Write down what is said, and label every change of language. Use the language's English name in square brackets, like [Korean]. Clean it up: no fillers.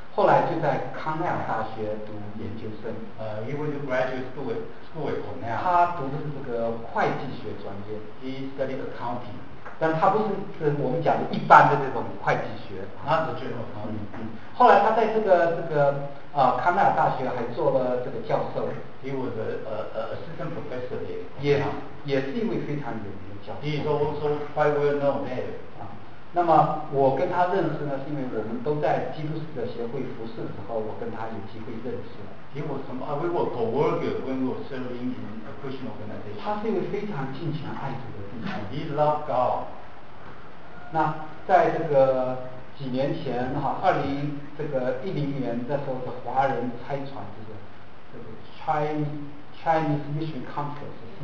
[Chinese] 后来就在康奈尔大学读研究生。 [English] He went to graduate school at Cornell. [Chinese] 他读的是这个会计学专业。 [English] He studied accounting. [Chinese] 但他不是我们讲的一般的这种会计学。 [English] Not the general accounting. [Chinese] 后来他在这个康奈尔大学还做了这个教授。 [English] He was assistant professor there. [Chinese] Yeah. 也是一位非常有名的教授。 [English] He is also quite well known there. [Chinese] 那么我跟他认识呢，是因为我们都在基督使徒协会服侍的时候，我跟他有机会认识了。 [English] He was we were co-worker when we were serving in a Christian organization. [Chinese] 他是一位非常敬虔爱主的弟兄。 [English] He loved God. [Chinese] 那在这个几年前哈，2010年那时候的华人拆船，就是这个 Chinese Mission Conference。